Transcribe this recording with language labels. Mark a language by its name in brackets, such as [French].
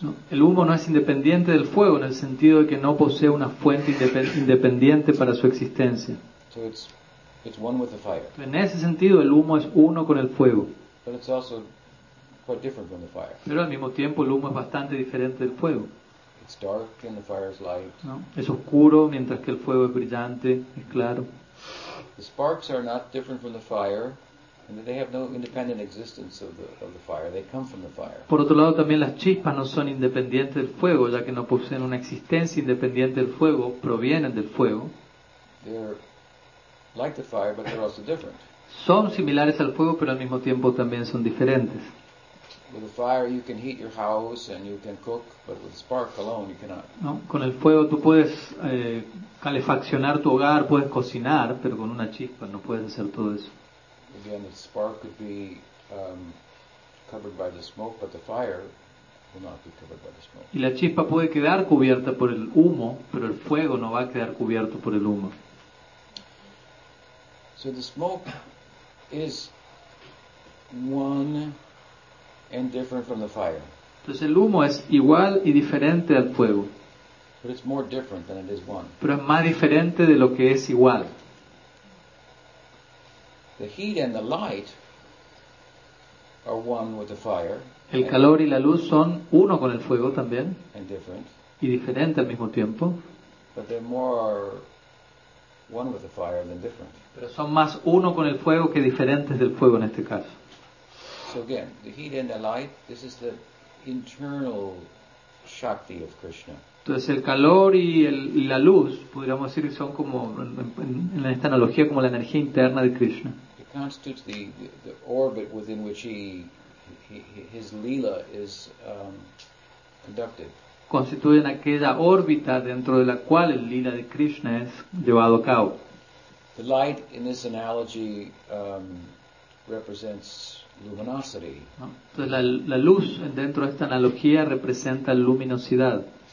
[Spanish] No, el humo no es independiente del fuego en el sentido de que no posee una fuente independiente para su existencia. [English] So it's one with the fire. [Spanish] En ese sentido el humo es uno con el fuego. [English] But it's also quite different from the fire. [Spanish] Pero al mismo tiempo el humo es bastante diferente del fuego. [English] It's dark and the fire is light. [Spanish] ¿No? Es oscuro mientras que el fuego es brillante, es claro. [English] The sparks are not different from the fire, and they have no independent existence of the fire. They come from the fire. [Spanish] Por otro lado también las chispas no son independientes del fuego, ya que no poseen una existencia independiente del fuego, provienen del fuego. [English] They're like the fire, but they're also different. [Spanish] Son similares al fuego, pero al mismo tiempo también son diferentes. [English] With a fire you can heat your house and you can cook, but with spark alone you cannot. [Spanish] No, con el fuego tú puedes calefaccionar tu hogar, puedes cocinar, pero con una chispa no puedes hacer todo eso. [English] Again, the spark could be covered by the smoke, but the fire will not be covered by the smoke. [Spanish] Y la chispa puede quedar cubierta por el humo, pero el fuego no va a quedar cubierto por el humo. [English] So the smoke is one and different from the fire. [Spanish] Entonces el humo es igual y diferente al fuego. [English] But it's more different than it is one. [Spanish] Pero es más diferente de lo que es igual. [English] The heat and the light are one with the fire. [Spanish] El calor y la luz son uno con el fuego también. [English] And different. [Spanish] Y diferente al mismo tiempo. [English] But they're more one with the fire than different. [Spanish] Pero son más uno con el fuego que diferentes del fuego en este caso. [English] So again, the heat and the light, this is the internal shakti of Krishna. [Spanish] Entonces el calor y la luz, podríamos decir que son como, en esta analogía, como la energía interna de Krishna. [English] It constitutes the orbit within which his lila is conducted. [Spanish] Constituyen aquella órbita dentro de la cual el lila de Krishna es llevado a cabo. [English] The light in this analogy represents luminosity. [Spanish] Entonces la luz dentro de esta analogía representa luminosidad.